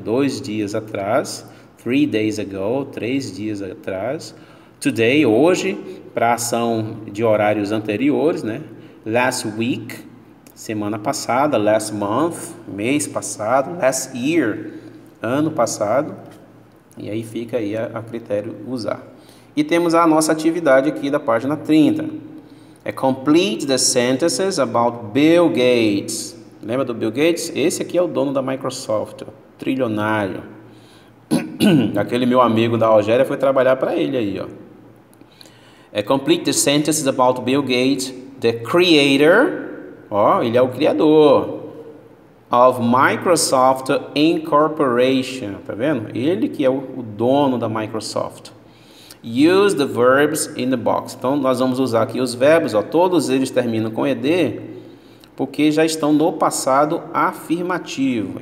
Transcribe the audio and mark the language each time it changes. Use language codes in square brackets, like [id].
[pt] 2 dias atrás, [en] 3 days ago, [pt] 3 dias atrás, today, hoje, para ação de horários anteriores, né? [en] Last week, [pt] semana passada, [en] last month, [pt] mês passado, [en] last year, [pt] ano passado. E aí fica aí a critério usar. E temos a nossa atividade aqui da página 30. [en] É complete the sentences about Bill Gates. [pt] Lembra do Bill Gates? Esse aqui é o dono da Microsoft, trilionário. Aquele meu amigo da Algéria foi trabalhar para ele aí, ó. [en] É complete the sentences about Bill Gates, the creator. [pt] Ó, ele é o criador of Microsoft Incorporation, tá vendo? Ele que é o dono da Microsoft. [en] Use the verbs in the box. [pt] Então, nós vamos usar aqui os verbos, ó, todos eles terminam com ED, porque já estão no passado afirmativo.